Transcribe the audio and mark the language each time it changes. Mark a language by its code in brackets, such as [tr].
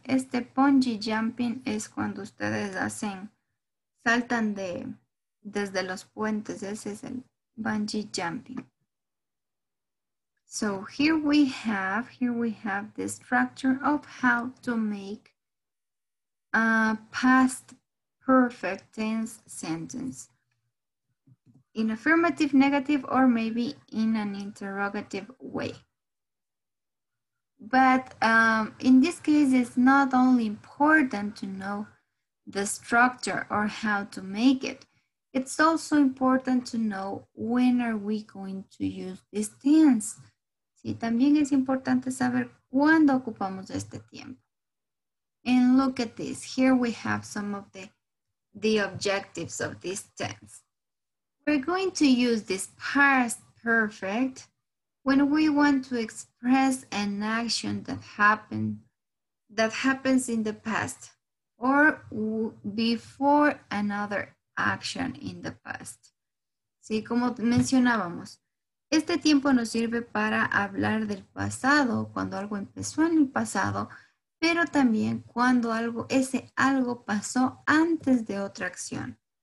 [es] Este bungee jumping es cuando ustedes hacen, saltan de, desde los puentes. Ese es el bungee jumping. [en] So here we have the structure of how to make a past perfect tense sentence. In affirmative, negative, or maybe in an interrogative way. But in this case, it's not only important to know the structure or how to make it. It's also important to know when are we going to use this tense. [es] Sí, también es importante saber cuándo ocupamos este tiempo. [en] And look at this. Here we have some of the objectives of this tense. We're going to use this past perfect when we want to express an action that happened, that happens in the past or before another action in the past. [es] Sí, como mencionábamos, este tiempo nos sirve para hablar del pasado, cuando algo empezó en el pasado, pero también cuando algo, ese algo pasó antes de otra acción.